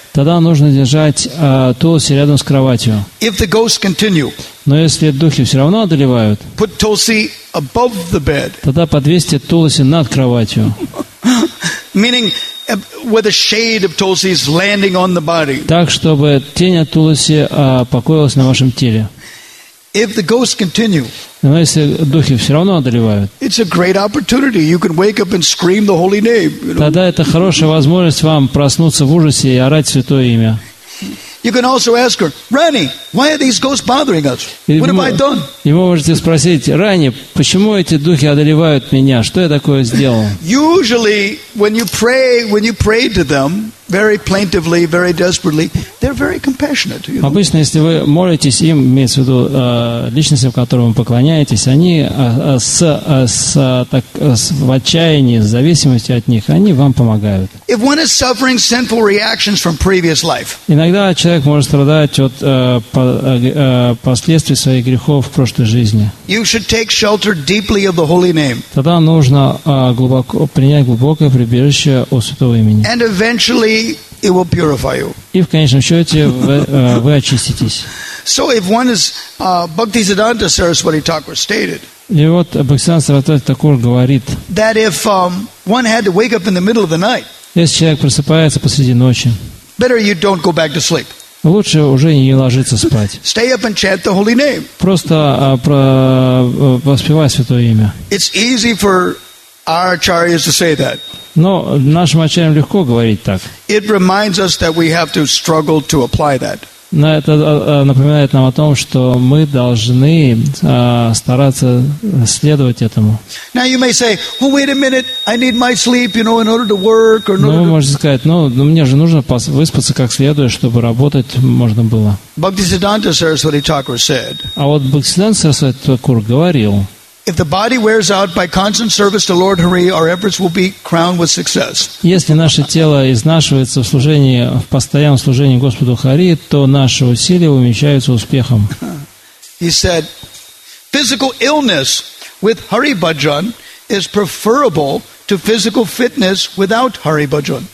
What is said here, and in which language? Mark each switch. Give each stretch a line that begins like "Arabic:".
Russian: Тогда нужно держать Тулси рядом с кроватью.
English: If the ghosts continue,
Russian: но если духи все равно одолевают,
English: put Tulsi above the bed.
Russian: Тогда подвесьте Тулси над кроватью.
English: Meaning, where the shade of Tulsi is landing on the body.
Russian: Так, чтобы тень от Тулси покоилась на вашем теле.
English: If the ghosts continue,
Russian: но если духи все равно одолевают,
English: it's a great opportunity. You can wake up and scream the holy name. You know?
Russian: Тогда это хорошая возможность вам проснуться в ужасе и орать святое имя.
English: You can also ask her, Rani, why are these ghosts bothering us? What have I done?
Russian: И вы можете спросить, Рани, почему эти духи одолевают меня? Что я такое сделал?
English: Usually, when you pray to them very plaintively, very desperately, they're very compassionate. You know?
Russian: Обычно, если вы молитесь им, имеется в виду личностям, которым вы поклоняетесь, они в отчаянии, в зависимости от них, они вам помогают.
English: If one is suffering sinful reactions from previous life,
Russian: иногда человек может страдать от последствий своих грехов в прошлой жизни.
English: You should take shelter deeply of the holy name.
Russian: Тогда нужно принять глубокое прибежище от святого имени.
English: And eventually it will purify you.
Russian: И в конечном счете вы очиститесь.
English: So if one is Bhaktisiddhanta Saraswati Thakur stated.
Russian: И вот Бхактисиддханта Сарасвати Такур говорит.
English: That if one had to wake up in the middle of the night.
Russian: Если человек просыпается посреди ночи.
English: Better you don't go back to sleep.
Russian: Лучше уже не ложиться спать.
English: Stay up and chant the holy name.
Russian: Просто воспевай святое имя.
English: It's easy for our acharyas to say that.
Russian: Но нашим ачарьям легко говорить так.
English: It reminds us that we have to struggle to apply that.
Russian: Но это напоминает нам о том, что мы должны стараться следовать этому.
English: Now you may say, well, wait a minute, I need my sleep, you know, in order to work or
Russian: Ну, вы можете сказать, ну мне же нужно выспаться как следует, чтобы работать можно было.
English: Bhaktisiddhanta Saraswati Thakur said.
Russian: А вот Бхактисиддханта Сарасвати Такур говорил.
English: If the body wears out by constant service to Lord Hari, our efforts will be crowned with success.
Russian: Если наше тело изнашивается в служении, в постоянном служении Господу Хари, то наши усилия увенчаются успехом.
English: He said, physical illness with Hari Bhajan is preferable to physical fitness without Hari Bhajan.